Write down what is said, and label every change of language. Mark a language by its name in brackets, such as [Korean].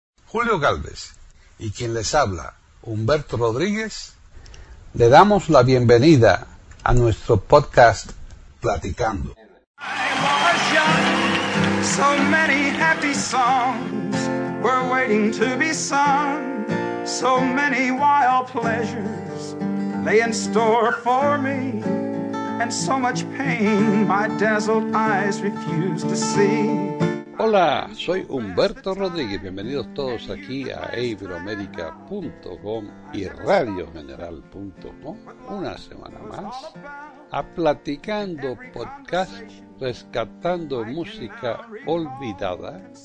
[Spanish] Julio Gálvez y quien les habla, Humberto Rodríguez, le damos la bienvenida a nuestro podcast Platicando. [English] So many happy songs were waiting to be sung. So many wild pleasures lay in store for me. And so much pain my dazzled eyes refuse to see. [Spanish] Hola, soy Humberto Rodríguez. Bienvenidos todos aquí a iberoamerica.com y radiogeneral.com. Una semana más a Platicando Podcast, rescatando música olvidada.